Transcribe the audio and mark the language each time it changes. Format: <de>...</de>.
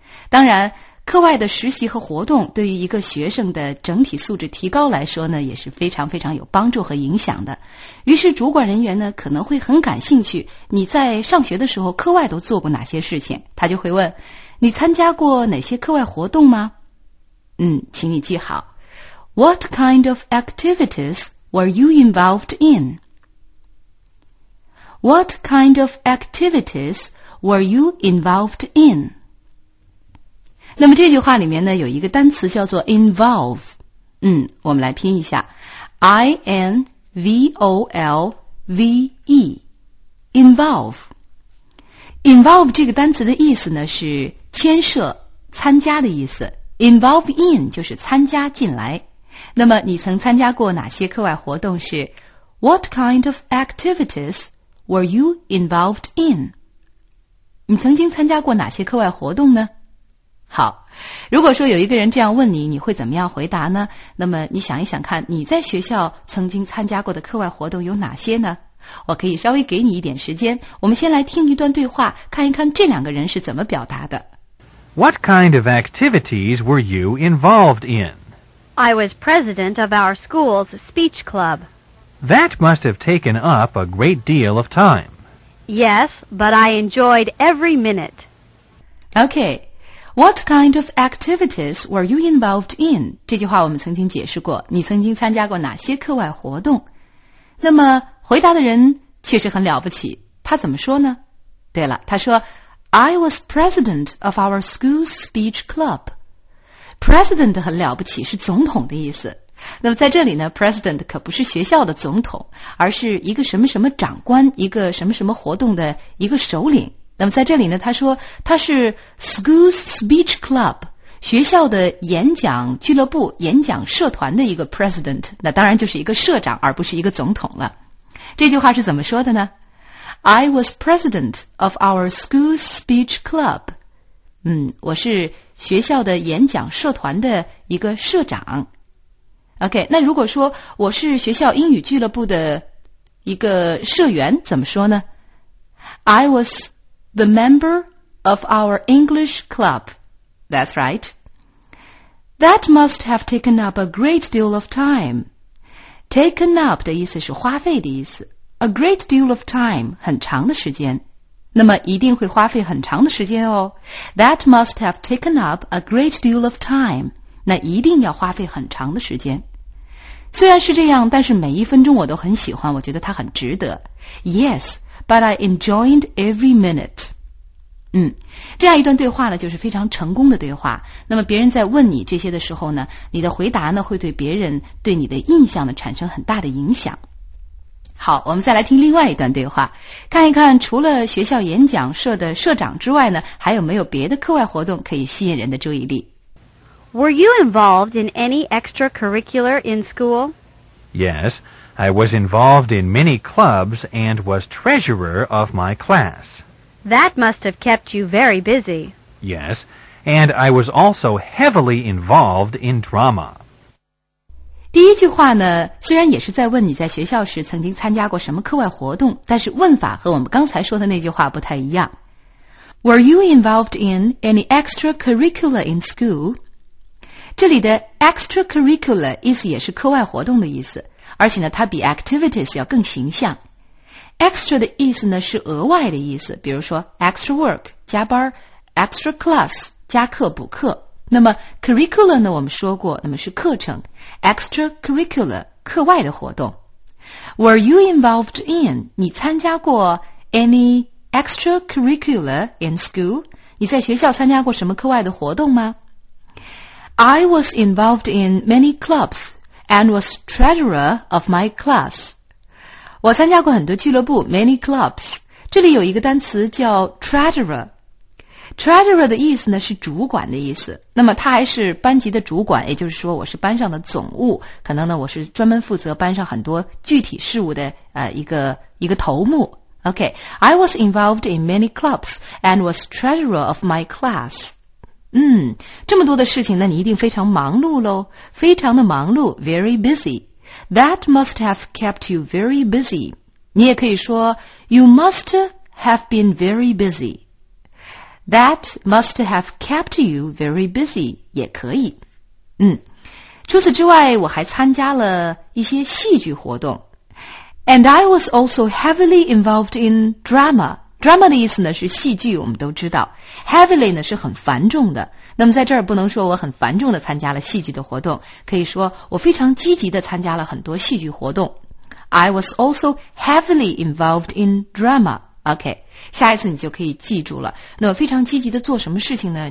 <zh>当然课外的实习和活动对于一个学生的整体素质提高来说呢也是非常非常有帮助和影响的。于是主管人员呢可能会很感兴趣你在上学的时候课外都做过哪些事情，他就会问你参加过哪些课外活动吗。请你记好，</zh> <en>What kind of activities were you involved in? What kind of activities were you involved in?</en> <zh>那么这句话里面呢有一个单词叫做 involve。我们来拼一下 I-N-V-O-L-V-E Involve。 Involve 这个单词的意思呢是牵涉参加的意思，involve in 就是参加进来。那么你曾参加过哪些课外活动是</zh> <en>What kind of activities were you involved in?</en> <zh>你曾经参加过哪些课外活动呢？好，如果说有一个人这样问你，你会怎么样回答呢？那么你想一想看，你在学校曾经参加过的课外活动有哪些呢？我可以稍微给你一点时间，我们先来听一段对话，看一看这两个人是怎么表达的。</zh> <en>What kind of activities were you involved in? I was president of our school's speech club. That must have taken up a great deal of time. Yes, but I enjoyed every minute. Okay, what kind of activities were you involved in?</en> <zh>这句话我们曾经解释过，你曾经参加过哪些课外活动？那么回答的人确实很了不起，他怎么说呢？对了，他说</zh> <en>I was president of our school's speech club.</en> <zh>President 很了不起，是总统的意思。那么在这里呢 ,president 可不是学校的总统，而是一个什么什么长官，一个什么什么活动的一个首领。那么在这里呢他说他是</zh> <en>school's speech club,</en> <zh>学校的演讲俱乐部，演讲社团的一个 president, 那当然就是一个社长而不是一个总统了。这句话是怎么说的呢？</zh> <en>I was president of our school's speech club.</en> <zh>我是学校的演讲社团的一个社长。 OK, 那如果说我是学校英语俱乐部的一个社员怎么说呢？</zh> <en>I was the member of our English club. That's right. That must have taken up a great deal of time.</en> <zh>Taken up 的意思是花费的意思。</zh> <en>A great deal of time,</en> <zh>很长的时间。那么一定会花费很长的时间哦。</zh> <en>That must have taken up a great deal of time.</en> <zh>那一定要花费很长的时间。虽然是这样，但是每一分钟我都很喜欢，我觉得它很值得。</zh> <en>Yes, but I enjoyed every minute.</en> <zh>这样一段对话呢，就是非常成功的对话。那么别人在问你这些的时候呢，你的回答呢，会对别人对你的印象呢，产生很大的影响。好，我们再来听另外一段对话，看一看除了学校演讲社的社长之外呢，还有没有别的课外活动可以吸引人的注意力。</zh> <en>Were you involved in any extracurricular in school? Yes, I was involved in many clubs and was treasurer of my class. That must have kept you very busy. Yes, and I was also heavily involved in drama.</en> <zh>第一句话呢虽然也是在问你在学校时曾经参加过什么课外活动，但是问法和我们刚才说的那句话不太一样。</zh> <en>Were you involved in any extracurricular in school?</en> <zh>这里的 extracurricular 意思也是课外活动的意思，而且呢它比 activities 要更形象。 extra 的意思呢是额外的意思，比如说 extra work, 加班 ,extra class, 加课补课。那么 curricular 呢我们说过那么是课程 extracurricular 课外的活动。</zh> <en>Were you involved in</en> <zh>你参加过</zh> <en>any extracurricular in school?</en> <zh>你在学校参加过什么课外的活动吗？</zh> <en>I was involved in many clubs and was treasurer of my class.</en> <zh>我参加过很多俱乐部</zh> <en>many clubs.</en> <zh>这里有一个单词叫 treasurerTreasurer 的意思呢是主管的意思，那么他还是班级的主管，也就是说我是班上的总务，可能呢我是专门负责班上很多具体事务的一个头目。</zh> <en>OK, I was involved in many clubs and was treasurer of my class.</en> <zh>嗯，这么多的事情呢，你一定非常忙碌咯，非常的忙碌 ,</zh> <en>very busy. That must have kept you very busy.</en> <zh>你也可以说</zh> <en>,you must have been very busy. That must have kept you very busy,</en> <zh>也可以。嗯，除此之外，我还参加了一些戏剧活动。</zh> <en>And I was also heavily involved in drama.</en> <zh>Drama 的意思呢是戏剧，我们都知道。Heavily 呢是很繁重的。那么在这儿不能说我很繁重的参加了戏剧的活动，可以说我非常积极的参加了很多戏剧活动。</zh> <en>I was also heavily involved in drama.</en> <zh>OK, 下一次你就可以记住了。那么非常积极的做什么事情呢？</zh>